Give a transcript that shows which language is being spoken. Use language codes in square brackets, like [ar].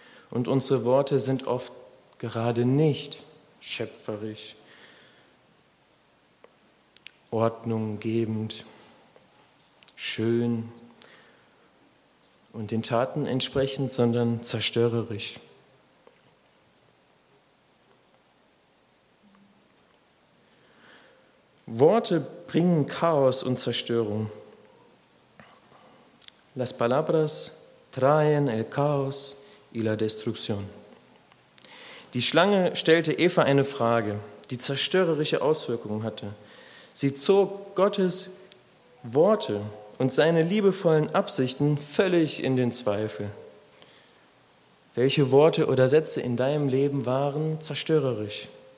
[de] Und unsere Worte sind oft gerade nicht schöpferisch, ordnunggebend, schön und den Taten entsprechend, sondern zerstörerisch. Worte bringen Chaos und Zerstörung. [es] Las palabras traen el caos y la destrucción. [de] Die Schlange stellte Eva eine Frage, die zerstörerische Auswirkungen hatte. Sie zog Gottes Worte und seine liebevollen Absichten völlig in den Zweifel. Welche Worte oder Sätze in deinem Leben waren zerstörerisch?